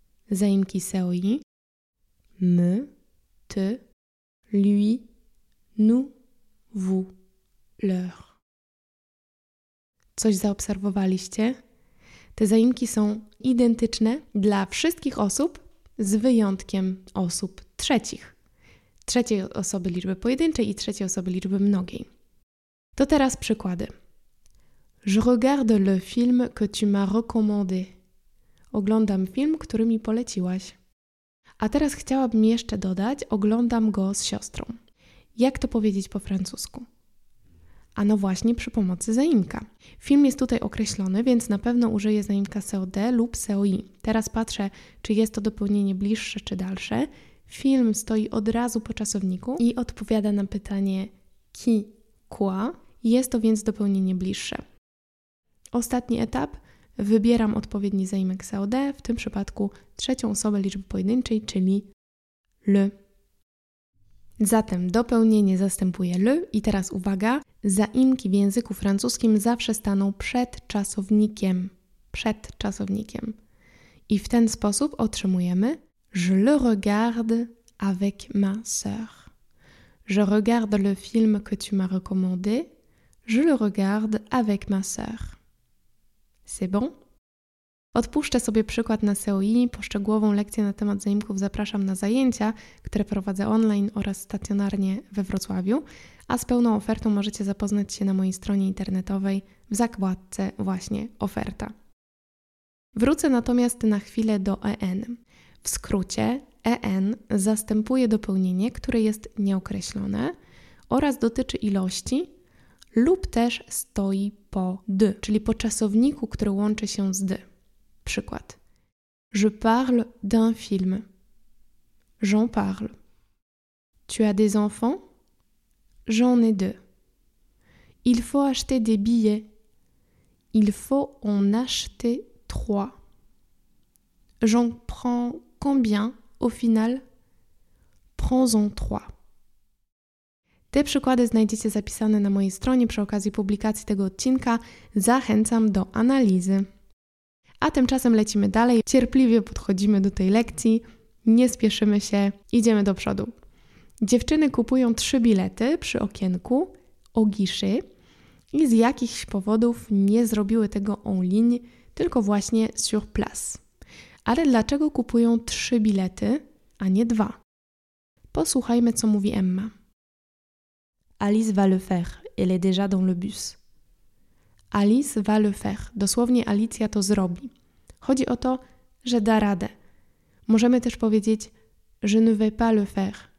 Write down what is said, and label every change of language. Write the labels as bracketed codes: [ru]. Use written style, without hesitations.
[pl] Zaimki SEOI. My, ty, [fr] lui, nous, vous, leur. [pl] Coś zaobserwowaliście? Te zaimki są identyczne dla wszystkich osób z wyjątkiem osób trzecich. Trzeciej osoby liczby pojedynczej i trzeciej osoby liczby mnogiej. To teraz przykłady. [fr] Je regarde le film que tu m'as recommandé. [pl] Oglądam film, który mi poleciłaś. A teraz chciałabym jeszcze dodać, oglądam go z siostrą. Jak to powiedzieć po francusku? A no właśnie przy pomocy zaimka. Film jest tutaj określony, więc na pewno użyję zaimka SEOD lub SEOI. Teraz patrzę, czy jest to dopełnienie bliższe czy dalsze. Film stoi od razu po czasowniku i odpowiada na pytanie [fr] qui, quoi. [pl] Jest to więc dopełnienie bliższe. Ostatni etap. Wybieram odpowiedni zaimek SEOD, w tym przypadku trzecią osobę liczby pojedynczej, czyli le. Zatem dopełnienie zastępuje le i teraz uwaga, zaimki w języku francuskim zawsze staną przed czasownikiem. Przed czasownikiem. I w ten sposób otrzymujemy [fr] je le regarde avec ma sœur. Je regarde le film que tu m'as recommandé. Je le regarde avec ma sœur. C'est bon? [pl] Odpuszczę sobie przykład na SEOI. Poszczegółową lekcję na temat zaimków zapraszam na zajęcia, które prowadzę online oraz stacjonarnie we Wrocławiu, a z pełną ofertą możecie zapoznać się na mojej stronie internetowej w zakładce właśnie oferta. Wrócę natomiast na chwilę do EN. W skrócie EN zastępuje dopełnienie, które jest nieokreślone oraz dotyczy ilości lub też stoi po D, czyli po czasowniku, który łączy się z D. Przykład. [fr] Je parle d'un film. J'en parle. Tu as des enfants? J'en ai deux. Il faut acheter des billets. Il faut en acheter trois. J'en prends combien au final? Prends-en trois. [pl] Te przykłady znajdziecie zapisane na mojej stronie przy okazji publikacji tego odcinka. Zachęcam do analizy. A tymczasem lecimy dalej, cierpliwie podchodzimy do tej lekcji, nie spieszymy się, idziemy do przodu. Dziewczyny kupują 3 bilety przy okienku [fr] au guichet [pl] i z jakichś powodów nie zrobiły tego [fr] en ligne, [pl] tylko właśnie [fr] sur place. [pl] Ale dlaczego kupują 3 bilety, a nie 2? Posłuchajmy, co mówi Emma. [fr] Alice va le faire, elle est déjà dans le bus. Alice va le faire. [pl] Dosłownie Alicja to zrobi. Chodzi o to, że da radę. Możemy też powiedzieć [fr] je ne vais pas le faire.